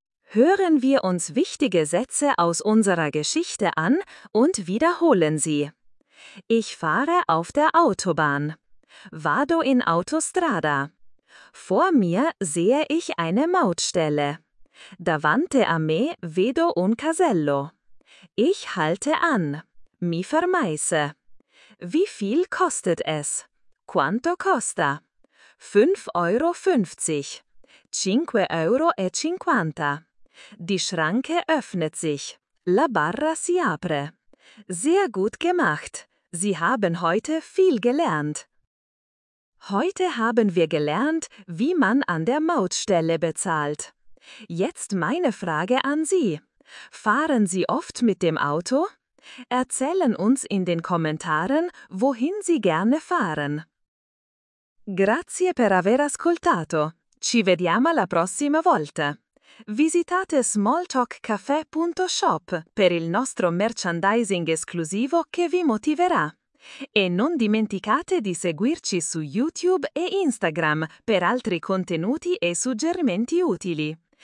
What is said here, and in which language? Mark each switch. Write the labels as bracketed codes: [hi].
[de] Hören wir uns wichtige Sätze aus unserer Geschichte an und wiederholen sie. Ich fahre auf der Autobahn. [it] Vado in autostrada. [de] Vor mir sehe ich eine Mautstelle. [it] Davanti a me vedo un casello. [de] Ich halte an. [it] Mi fermeise. [de] Wie viel kostet es? [it] Quanto costa? 5,50 €. 5,50 €. [de] Die Schranke öffnet sich. [it] La barra si apre. [de] Sehr gut gemacht. Sie haben heute viel gelernt. Heute haben wir gelernt, wie man an der Mautstelle bezahlt. Jetzt meine Frage an Sie. Fahren Sie oft mit dem Auto? Erzählen uns in den Kommentaren, wohin Sie gerne fahren. [it] Grazie per aver ascoltato. Ci vediamo la prossima volta. Visitate smalltalkcafe.shop per il nostro merchandising esclusivo che vi motiverà. E non dimenticate di seguirci su YouTube e Instagram per altri contenuti e suggerimenti utili.